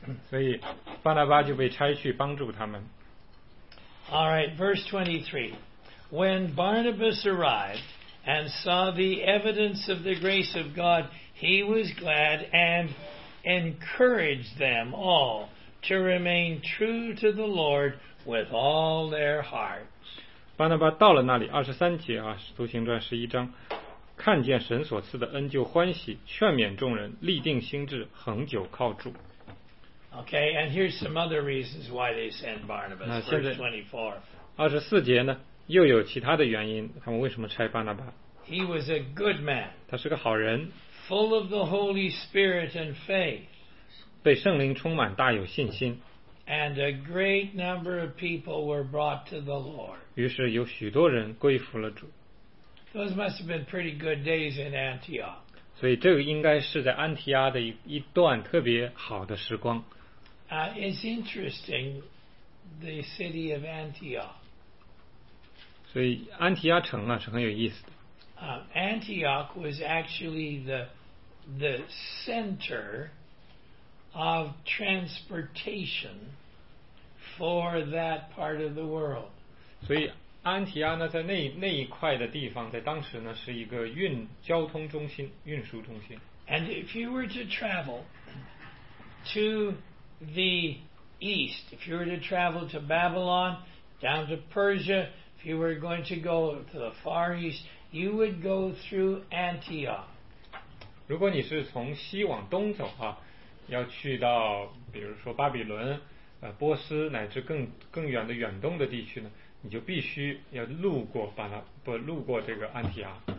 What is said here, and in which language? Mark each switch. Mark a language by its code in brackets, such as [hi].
[zh] 所以巴拿巴就被差去帮助他们。 [en] All right, verse 23. When Barnabas arrived and saw the evidence of the grace of God, he was glad and encouraged them all to remain true to the Lord with all their heart. [zh] 巴拿巴到了那里，23节啊，《使徒行传》11章，看见神所赐的恩，就欢喜，劝勉众人，立定心志，恒久靠住。 [en] Okay, and here's some other reasons why they send Barnabas. [zh] 那现在 24。 24节呢，又有其他的原因，他们为什么差巴拿巴 [en] ？He was a good man. [zh] 他是个好人。 [en] Full of the Holy Spirit and faith. [zh] 被圣灵充满，大有信心。 [en] And a great number of people were brought to the Lord. [zh] 于是有许多人归服了主。 [en] Those must have been pretty good days in Antioch. [zh] 所以这个应该是在安提阿的一段特别好的时光。 [en] It's interesting, the city of Antioch. [zh] 所以安提阿城啊是很有意思的。 [en] Antioch was actually the center. Of transportation for that part of the world. [zh] 所以安提阿呢，在那一块的地方，在当时呢，是一个交通中心、运输中心。 [en] And if you were to travel to the east, if you were to travel to Babylon, down to Persia, if you were going to go to the far east, you would go through Antioch. [zh] 如果你是从西往东走的话。要去到比如说巴比伦波斯乃至更远的远东的地区呢，你就必须要路过这个安提阿。